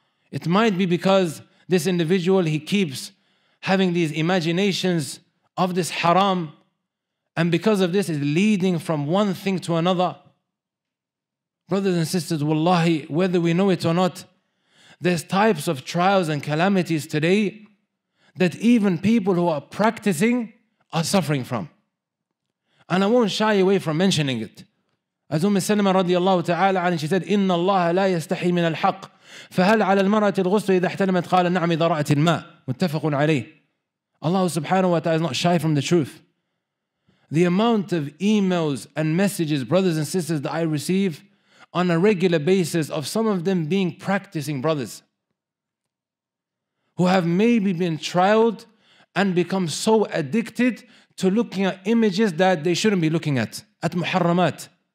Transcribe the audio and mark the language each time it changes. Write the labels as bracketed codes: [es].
[en] It might be because this individual, he keeps having these imaginations of this haram, and because of this is leading from one thing to another. Brothers and sisters, wallahi, whether we know it or not, there's types of trials and calamities today that even people who are practicing are suffering from. And I won't shy away from mentioning it. As Umm Salama radiallahu ta'ala anha, she said, [ar] إِنَّ اللَّهَ لَا يَسْتَحِي مِنَ الْحَقِّ فَهَلْ عَلَى الْمَرَأَةِ الْغُسْلُ إِذَا احْتَلَمَتْ قَالَ نَعْمِ ضَرَأَةٍ مَا. متفق عليه. [en] Allah subhanahu wa ta'ala is not shy from the truth. The amount of emails and messages, brothers and sisters, that I receive on a regular basis of some of them being practicing brothers who have maybe been trialed and become so addicted to looking at images that they shouldn't be looking at muharramat.